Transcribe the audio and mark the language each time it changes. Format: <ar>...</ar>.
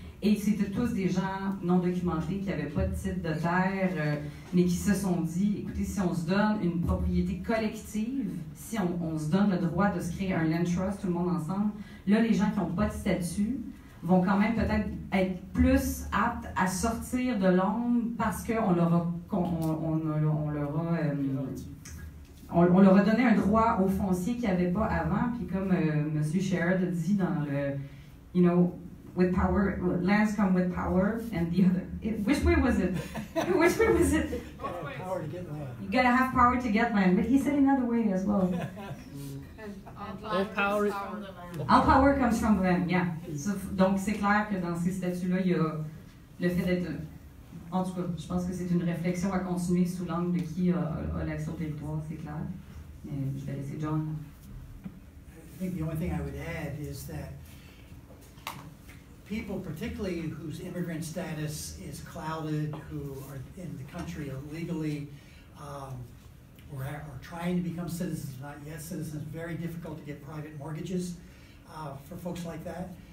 <fr>Et c'était tous des gens non documentés qui n'avaient pas de titre de terre, mais qui se sont dit, écoutez, si on se donne une propriété collective, si on se donne le droit de se créer un land trust, tout le monde ensemble, là, les gens qui n'ont pas de statut vont quand même peut-être être plus aptes à sortir de l'ombre parce qu'on leur a, on leur a donné un droit au foncier qu'il n'y avait pas avant. Puis comme M.</fr> <en>Sherrod</en> <fr>a dit dans le,</fr> <en>you know, with power, lands come with power, and the other, which way was it? Which way was it? You gotta have power to get land. But he said another way as well. All power comes from them, yeah.</en> <fr>So, donc, c'est clair que dans ces statuts-là, il y a le fait d'être... En tout cas, je pense que c'est une réflexion à continuer sous l'angle de qui a l'accès au territoire, c'est clair. Mais je vais laisser John.</fr> <en>I think the only thing I would add is that people, particularly whose immigrant status is clouded, who are in the country illegally, or trying to become citizens, not yet citizens, very difficult to get private mortgages for folks like that.</en>